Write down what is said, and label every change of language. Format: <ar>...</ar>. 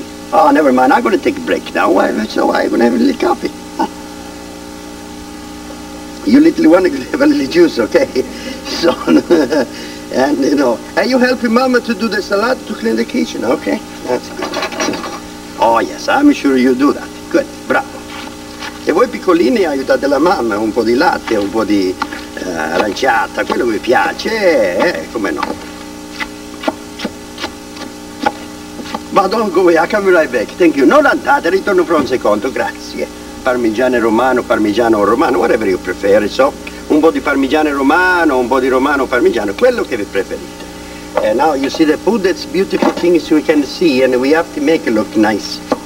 <en>Oh, never mind, I'm going to take a break now. So I'm going to have a little coffee. You little one, have a little juice, okay? So, and you know, and you helping Mama to do the salad to clean the kitchen, okay? That's good. Oh yes, I'm sure you do that. Good, bravo.</en> <it>E voi piccolini aiutate la mamma, un po' di latte, un po' di aranciata, quello mi piace, come no.</it> <en>Ma don't go away, I'll come right back, thank you.</en> <it>Non andate, ritorno fra un secondo, grazie. Parmigiano romano,</it> <en>whatever you prefer, so.</en> <it>Un po' di parmigiano romano, un po' di romano parmigiano, quello che vi preferite.</it> <en>Now you see the food, that's beautiful things we can see and we have to make it look nice.</en>